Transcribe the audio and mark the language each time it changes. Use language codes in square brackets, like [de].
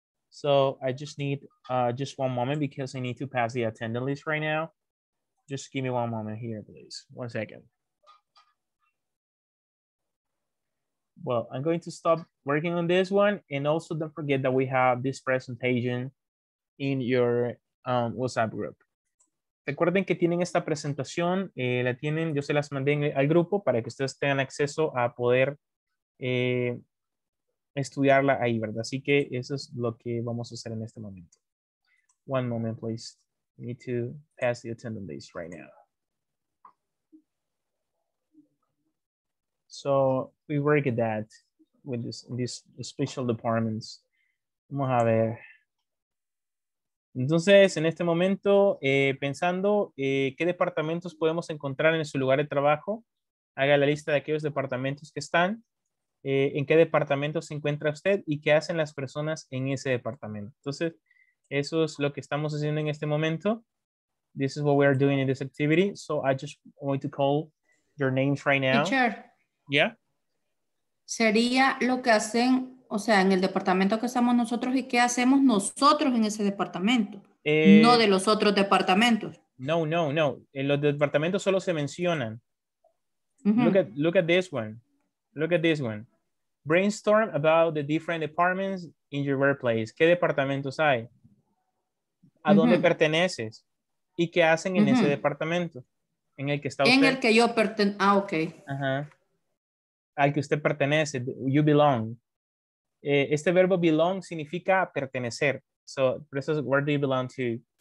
[en] So I just need just one moment because I need to pass the attendance list right now. Just give me one moment here, please. One second. Well, I'm going to stop working on this one. And also don't forget that we have this presentation in your WhatsApp group. [es] Recuerden que tienen esta presentación, la tienen, yo se las mandé al grupo para que ustedes tengan acceso a poder estudiarla ahí, ¿verdad? Así que eso es lo que vamos a hacer en este momento. [en] One moment, please. I need to pass the attendance list right now. So we work at that with this special departments. [es] Vamos a ver. Entonces, en este momento, pensando qué departamentos podemos encontrar en su lugar de trabajo, haga la lista de aquellos departamentos que están, en qué departamento se encuentra usted y qué hacen las personas en ese departamento. Entonces, eso es lo que estamos haciendo en este momento. [en] This is what we are doing in this activity. So, I just want to call your names right now. Teacher. Yeah. [es] Sería lo que hacen... O sea, en el departamento que estamos nosotros y qué hacemos nosotros en ese departamento, no de los otros departamentos. No. En los departamentos solo se mencionan. Mm-hmm. [en] Look at this one. Brainstorm about the different departments in your workplace. [es] ¿Qué departamentos hay? ¿A mm-hmm. dónde perteneces? ¿Y qué hacen en mm-hmm. ese departamento en el que está usted? En el que yo pertenezco. Ah, ok. Uh-huh. Al que usted pertenece. [en] You belong. [es] Este verbo belong significa pertenecer. [en] So, where do you belong to?